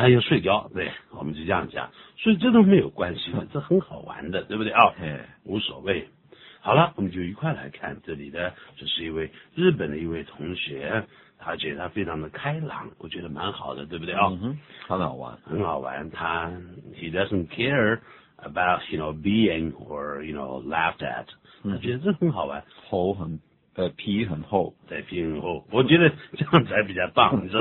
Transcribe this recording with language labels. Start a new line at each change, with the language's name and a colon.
Chinese: 有水饺，对，我们就这样讲。所以这都没有关系的，这很好玩的，对不对啊？无所谓。好了，我们就一块来看这里的，这是一位日本的一位同学。而且他非常的开朗，我觉得蛮好的，对不对啊？很好玩，很好玩。
English: 他 he doesn't care about you know being or you know laughed at，他觉得这很好玩。
Chinese: 厚很皮很厚，对，皮很厚，我觉得这样才比较棒，你说